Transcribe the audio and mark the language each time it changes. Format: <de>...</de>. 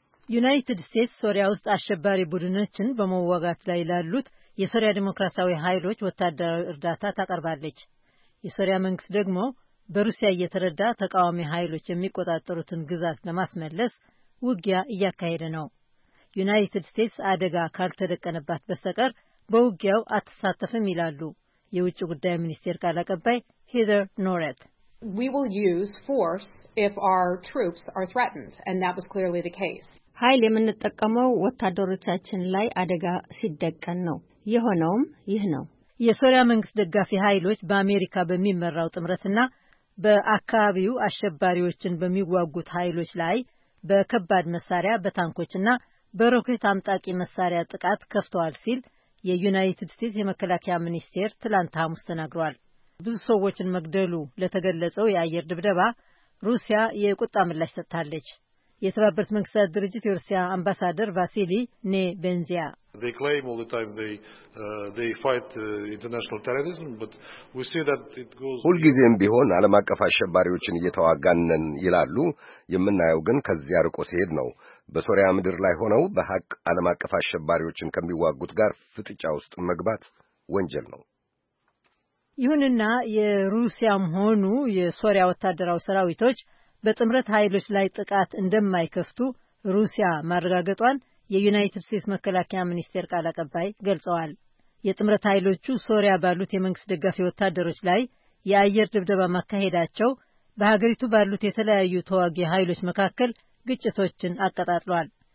<am>United States Soria ውስጥ አሸባሪ ቡድኖችን በመዋጋት ላይ ላሉት የሶሪያ ዲሞክራሲያዊ ኃይሎች ወታደራዊ እርዳታ ታቀርባለች። የሶሪያ መንግስት ደግሞ በሩሲያ እየተረዳ ተቃዋሚ ኃይሎች የሚቆጣጠሩትን ግዛት ለማስመለስ ውጊያ እያካሄደ ነው። ዩናይትድ ስቴትስ አደጋ ካልተደቀነባት በስተቀር በውጊያው አትሳተፍም ይላሉ የውጭ ጉዳይ ሚኒስቴር ቃል አቀባይ ሄደር ኖሬት።</am> <en>We will use force if our troops are threatened, and that was clearly the case.</en> <am>ኃይል የምንጠቀመው ወታደሮቻችን ላይ አደጋ ሲደቀን ነው። የሆነውም ይህ ነው። የሶሪያ መንግስት ደጋፊ ኃይሎች በአሜሪካ በሚመራው ጥምረትና በአካባቢው አሸባሪዎችን በሚዋጉት ኃይሎች ላይ በከባድ መሳሪያ፣ በታንኮችና በሮኬት አምጣቂ መሳሪያ ጥቃት ከፍተዋል ሲል የዩናይትድ ስቴትስ የመከላከያ ሚኒስቴር ትላንት ሐሙስ ተናግሯል። ብዙ ሰዎችን መግደሉ ለተገለጸው የአየር ድብደባ ሩሲያ የቁጣ ምላሽ ሰጥታለች። የተባበሩት መንግስታት ድርጅት የሩሲያ አምባሳደር ቫሲሊ ኔቤንዚያ</am> <en>They claim all the time they fight international terrorism but we see that it goes</en> <am>ሁልጊዜም ቢሆን ዓለም አቀፍ አሸባሪዎችን እየተዋጋነን ይላሉ። የምናየው ግን ከዚያ ርቆ ሲሄድ ነው። በሶሪያ ምድር ላይ ሆነው በሐቅ ዓለም አቀፍ አሸባሪዎችን ከሚዋጉት ጋር ፍጥጫ ውስጥ መግባት ወንጀል ነው። ይሁንና የሩሲያም ሆኑ የሶሪያ ወታደራዊ ሰራዊቶች በጥምረት ኃይሎች ላይ ጥቃት እንደማይከፍቱ ሩሲያ ማረጋገጧን የዩናይትድ ስቴትስ መከላከያ ሚኒስቴር ቃል አቀባይ ገልጸዋል። የጥምረት ኃይሎቹ ሶሪያ ባሉት የመንግስት ደጋፊ ወታደሮች ላይ የአየር ድብደባ ማካሄዳቸው በሀገሪቱ ባሉት የተለያዩ ተዋጊ ኃይሎች መካከል ግጭቶችን አቀጣጥሏል።</am>